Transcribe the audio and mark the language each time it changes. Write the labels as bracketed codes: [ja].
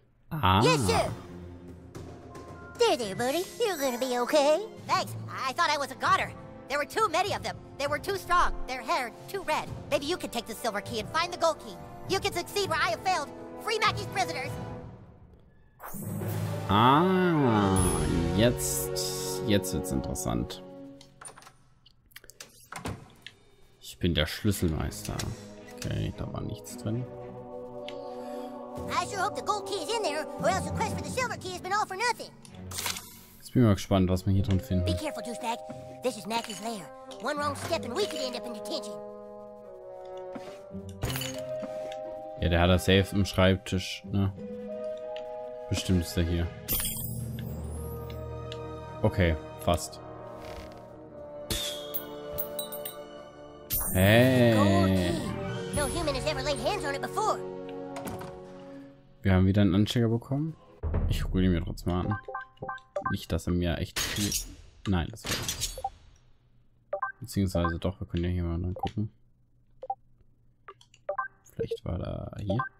[en] Ah. Yes, sir. There, there, buddy. You're gonna be okay. Thanks. I thought I was a goner. There were too many of them. They were too strong. Their hair too red. Maybe you could take the silver key and find the gold key. You can succeed where I have failed. Free Mackie's prisoners. [de] Ah, jetzt wird's interessant. Ich bin der Schlüsselmeister. Okay, da war nichts drin. [en] I sure hope the gold key is in there, or else the quest for the silver key has been all for nothing. [de] Ich bin mal gespannt, was wir hier drin finden. [en] Be careful, douchebag. This is Mackie's lair. One wrong step and we could end up in detention. [de] Ja, der hat das safe im Schreibtisch, ne? Bestimmt ist er hier. Okay, fast. [en] Hey. No human has ever laid hands on it before. [de] Wir haben wieder einen Anstecker bekommen. Ich hole ihn mir trotzdem mal an. Nicht, dass er mir echt viel... Nein, das war nicht. Beziehungsweise doch, wir können ja hier mal gucken. Vielleicht war da hier.